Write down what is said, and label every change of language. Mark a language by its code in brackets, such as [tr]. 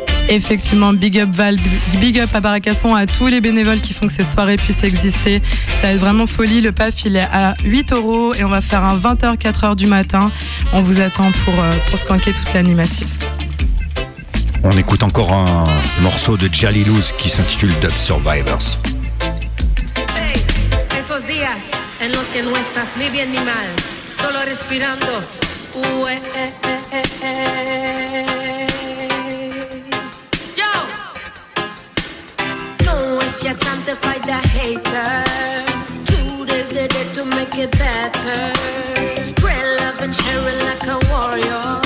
[fr] Effectivement, big up Val, big up à Barakasson, à tous les bénévoles qui font que ces soirées puissent exister. Ça va être vraiment folie. Le PAF, il est à 8€ et on va faire un 20h, 4h du matin. On vous attend pour skanker toute la nuit massive. On écoute encore un morceau de Jalilouz qui s'intitule Dub Survivors. [es] Hey, esos días en los que no estás ni bien ni mal, solo respirando. [en] Yo, don't waste your time to fight the hater. 2 days later to make it better. Spread love and share it like a warrior.